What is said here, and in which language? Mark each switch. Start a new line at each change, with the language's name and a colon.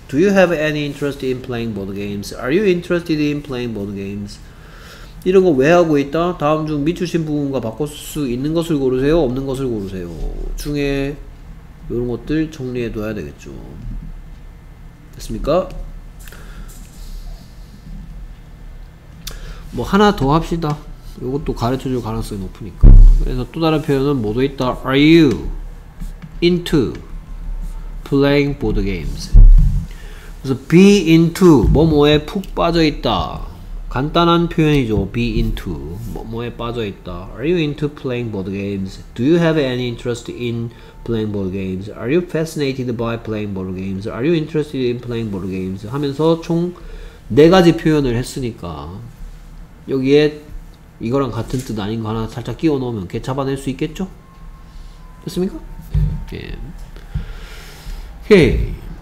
English: Do you have any interest in playing board games? Are you interested in playing board games?
Korean: 이런 거 왜 하고 있다? 다음 중 미추신 부분과 바꿀 수 있는 것을 고르세요? 없는 것을 고르세요? 중에 이런 것들 정리해 둬야 되겠죠. 됐습니까? 뭐 하나 더 합시다. 이것도 가르쳐줄 가능성이 높으니까. 그래서 또 다른 표현은 뭐도 있다.
English: Are you into playing board games?
Korean: 그래서 be into 뭐뭐에 푹 빠져있다. 간단한 표현이죠. Be into 뭐뭐에 빠져있다.
English: Are you into playing board games? Do you have any interest in playing board games? Are you fascinated by playing board games? Are you interested in playing board games?
Korean: 하면서 총 네 가지 표현을 했으니까 여기에 이거랑 같은 뜻 아닌 거 하나 살짝 끼워 넣으면 개 잡아낼 수 있겠죠? 됐습니까? 예. 오케이.